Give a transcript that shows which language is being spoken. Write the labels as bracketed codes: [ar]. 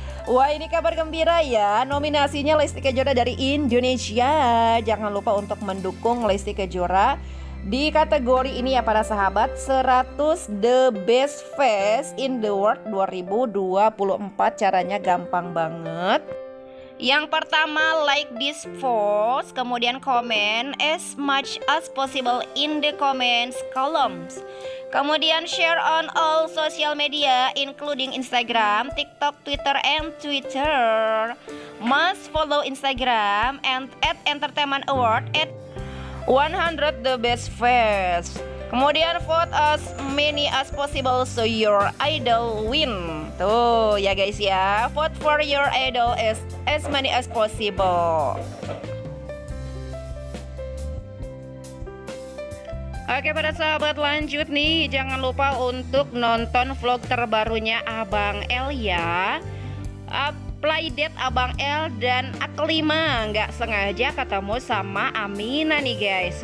[id] Wah, ini kabar gembira ya. Nominasinya Lesti Kejora dari Indonesia. Jangan lupa untuk mendukung Lesti Kejora di kategori ini ya para sahabat, 100 the best face in the world 2024. Caranya gampang banget. Yang pertama, [en] like this post, [id] kemudian komen [en] as much as possible in the comments columns. [id] Kemudian [en] share on all social media including Instagram, TikTok, Twitter, and Twitter. Must follow Instagram and at Entertainment Award at 100 the best face. [id] Kemudian [en] vote as many as possible so your idol win. [id] Tuh ya [en] guys ya, vote for your idol as many as possible. [id] Oke, para sahabat, lanjut nih, jangan lupa untuk nonton vlog terbarunya Abang L ya. Play date Abang L dan Aklima nggak sengaja ketemu sama Amina nih guys.